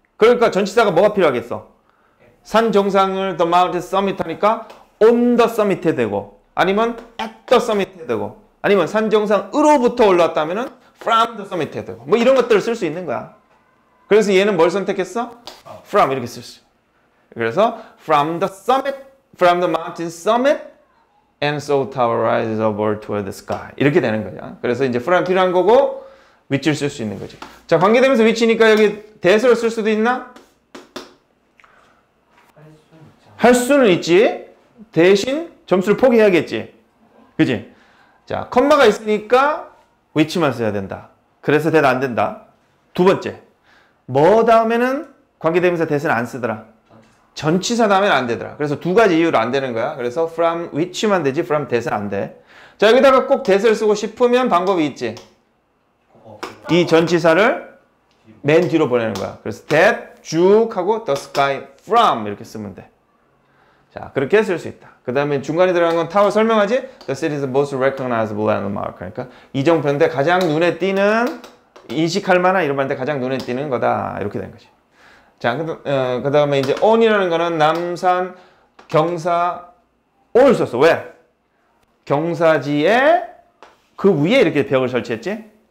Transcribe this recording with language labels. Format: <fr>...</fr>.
<ko>그러니까 전치사가 뭐가 필요하겠어? 산정상을</ko> <en>the mountain summit</en> <ko>하니까</ko> <en>on the summit</en> <ko>에 되고 아니면</ko> <en>at the summit</en> <ko>에 되고 아니면 산정상으로부터 올라왔다면</ko> <en>from the summit</en> <ko>에 되고 뭐 이런 것들을 쓸 수 있는 거야. 그래서 얘는 뭘 선택했어? from 이렇게 쓸 수 있어. 그래서</ko> <en>from the summit, from the mountain summit and so tower rises upward toward the sky</en> <ko>이렇게 되는 거야. 그래서 이제 from 필요한 거고 which를 쓸 수 있는 거지. 자, 관계되면서 which니까 여기 that로 쓸 수도 있나? 할 수는 있지. 대신 점수를 포기해야겠지. 그지? 자, 콤마가 있으니까 which만 써야 된다. 그래서 that 안 된다. 두 번째, 뭐 다음에는 관계되면서 that은 안 쓰더라. 전치사 다음에는 안 되더라. 그래서 두 가지 이유로 안 되는 거야. 그래서</ko> <en>from which</en> <ko>만 되지</ko> <en>from that</en> <ko>은 안 돼. 자, 여기다가 꼭 that을 쓰고 싶으면 방법이 있지. 이 전치사를 맨 뒤로 보내는 거야. 그래서 that 쭉 하고</ko> <en>the sky from</en> <ko>이렇게 쓰면 돼. 자, 그렇게 쓸 수 있다. 그 다음에 중간에 들어간 건 타워 설명하지?</ko> <en>The city is most recognizable landmark.</en> <ko>그러니까 이정표인데 가장 눈에 띄는 인식할 만한 이런 말인데 가장 눈에 띄는 거다. 이렇게 된 거지. 자, 그 다음에 이제 on이라는 거는 남산 경사 on을 썼어. 왜? 경사지에 그 위에 이렇게 벽을 설치했지?</ko>